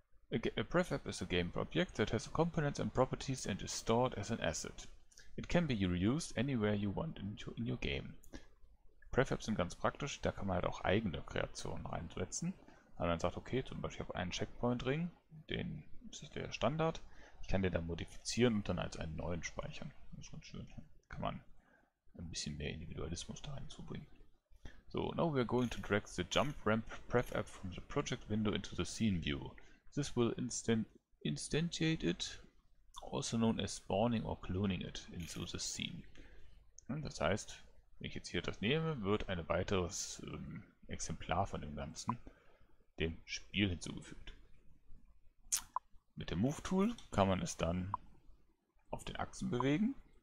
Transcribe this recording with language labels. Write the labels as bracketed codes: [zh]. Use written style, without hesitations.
[en] A Pref-App is a game object that has components and properties and is stored as an asset. It can be reused anywhere you want in your game. [de] Pref-Apps sind ganz praktisch. Da kann man halt auch eigene Kreationen reinsetzen. Wenn man sagt, okay, zum Beispiel ich habe einen Checkpoint-Ring, den das ist der Standard. Ich kann den dann modifizieren und dann als einen neuen speichern. Das ist ganz schön. Kann man ein bisschen mehr Individualismus da hinzubringen. [en] So, now we are going to drag the Jump Ramp Pref App from the Project Window into the Scene View. This will instantiate it, also known as spawning or cloning it, into the scene. [de] Das heißt, wenn ich jetzt hier das nehme, wird ein weiteres Exemplar von dem Ganzen dem Spiel hinzugefügt. Mit dem Move Tool kann man es dann auf den Achsen bewegen.